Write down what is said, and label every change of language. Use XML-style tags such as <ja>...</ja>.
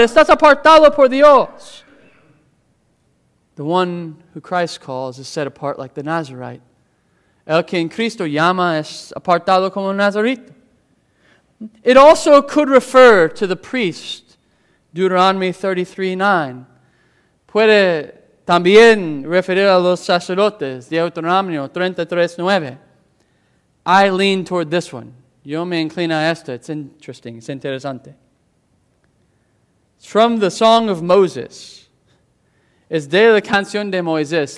<es>Estás apartado por Dios.</es> <en>The one who Christ calls is set apart like the Nazarite.</en> <es>El que en Cristo llama es apartado como Nazarito.</es> <en>It also could refer to the priest, Deuteronomy 33:9.</en> <es>Puede también referir a los sacerdotes, Deuteronomio 33:9.</es> <en>I lean toward this one.</en> <es>Yo me inclino a esta.</es> <en>It's interesting. It's interesante. It's from the Song of Moses.</en> <es>Es de la canción de Moisés.</es>